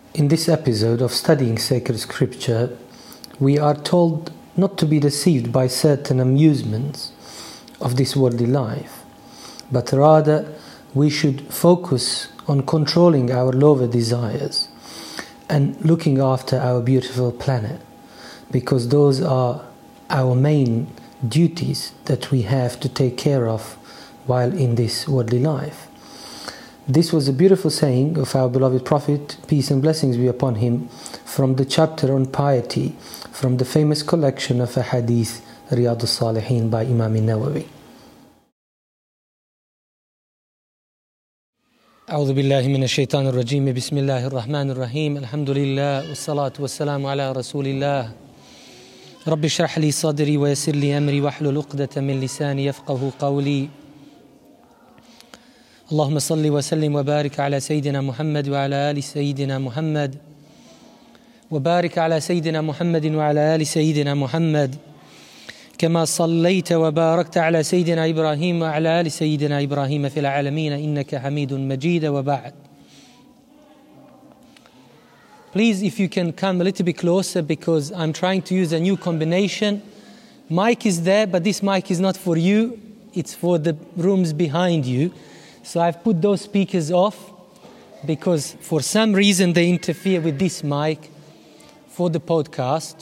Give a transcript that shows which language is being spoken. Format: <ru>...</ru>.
<en>In this episode of Studying Sacred Scripture, we are told not to be deceived by certain amusements of this worldly life, but rather we should focus on controlling our lower desires and looking after our beautiful planet, because those are our main duties that we have to take care of while in this worldly life. This was a beautiful saying of our beloved Prophet, peace and blessings be upon him, from the chapter on piety, from the famous collection of a hadith, Riyadh al-Salihin, by Imam Nawawi.</en> <ar>أعوذ بالله من الشيطان الرجيم بسم الله الرحمن الرحيم الحمد لله والصلاة والسلام على رسول الله رب اشرح لي صدري ويسر لي أمري واحلل عقدة من لساني يفقه قولي اللهم صل وسلم وبارك على سيدنا محمد وعلى آل سيدنا محمد وبارك على سيدنا محمد وعلى آل سيدنا محمد كما صليت وباركت على سيدنا إبراهيم وعلى آل سيدنا إبراهيم في العالمين إنك حميد مجيد وبعد.</ar> <en>Please, if you can come a little bit closer, because I'm trying to use a new combination. Mic is there, but this mic is not for you. It's for the rooms behind you. So I've put those speakers off because for some reason they interfere with this mic for the podcast.</en>